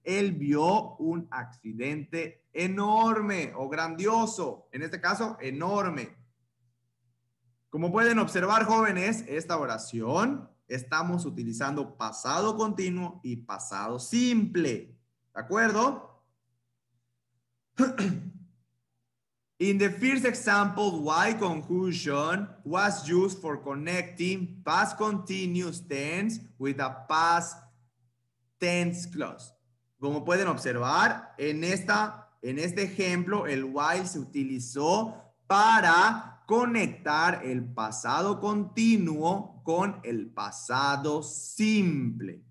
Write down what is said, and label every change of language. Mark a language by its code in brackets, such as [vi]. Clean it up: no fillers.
[es] Él vio un accidente enorme o grandioso. En este caso, enorme. Como pueden observar, jóvenes, esta oración estamos utilizando pasado continuo y pasado simple. ¿De acuerdo? [en] In the first example, why conjunction was used for connecting past continuous tense with a past tense clause. [es] Como pueden observar, en este ejemplo, el why se utilizó para conectar el pasado continuo con el pasado simple.